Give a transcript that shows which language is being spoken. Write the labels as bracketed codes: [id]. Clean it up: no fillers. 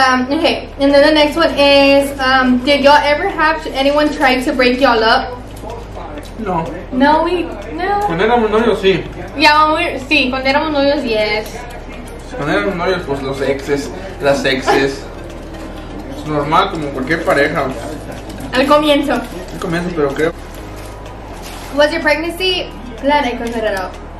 [en] Okay, and then the next one is, did y'all ever have anyone try to break y'all up? No. No, we, no. [es] Cuando éramos novios, sí. [en] Yeah, when we, [es] sí, cuando éramos novios, [en] yes. [es] Cuando éramos novios, pues los exes, las exes. Es normal, como cualquier pareja. Al comienzo. Al comienzo, pero creo. [en] Was your pregnancy planned? I couldn't get it out.